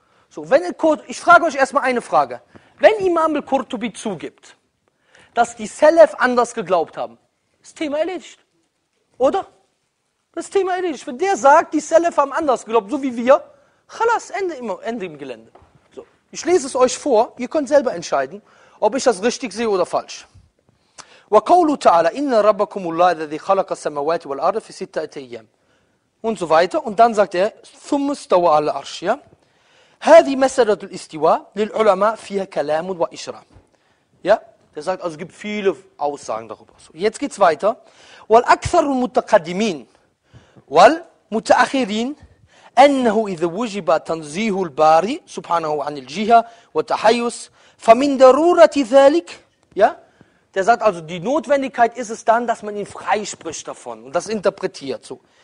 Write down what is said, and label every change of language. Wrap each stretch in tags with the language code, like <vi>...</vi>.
<de>So, ich frage euch erstmal eine Frage. Wenn Imam al-Qurtubi zugibt, dass die Salaf anders geglaubt haben, ist Thema erledigt. Oder? Das Thema erledigt. Wenn der sagt, die Salaf haben anders geglaubt, so wie wir, khalas, Ende im Gelände. So, ich lese es euch vor, ihr könnt selber entscheiden, ob ich das richtig sehe oder falsch.</de> <ar>وَقَوْلُ تَعَالَى إِنَّ رَبَّكُمُ اللَّهِ الَّذِي خَلَقَ السَّمَوَاتِ وَالْأَرْضِ فِي سِتَّةِ أَيَّامٍ</ar> <de>und so weiter. Und dann sagt er,</de> <ar>ثُمَّ اسْتَوَى عَلَى الْعَرْشِ. هَذِي مَسَلَةُ الْإِسْتِوَى لِلْعُلَمَاءِ فِيهَا كَلَامٌ وَإِشْرَامٌ.</ar> <de>Ja, der sagt, also es gibt viele Aussagen darüber. So, jetzt geht's weiter.</de> <ar>وَالْأَكْثَرُ الْمُتَقَدِّمِينَ وَالْمُتَأَخِّرِينَ أَنَّهُ إِذَا وُجِبَ تَنْزِيهُ الْبَارِي سُبْحَانَهُ عَنِ الْجِهَةِ وَالتَّحَيُّزِ فَمِنْ دَرُورَةِ ذَلِكَ.</ar> <de>Ja, der sagt also, die Notwendigkeit ist es dann, dass man ihn freispricht davon und das interpretiert so.</de>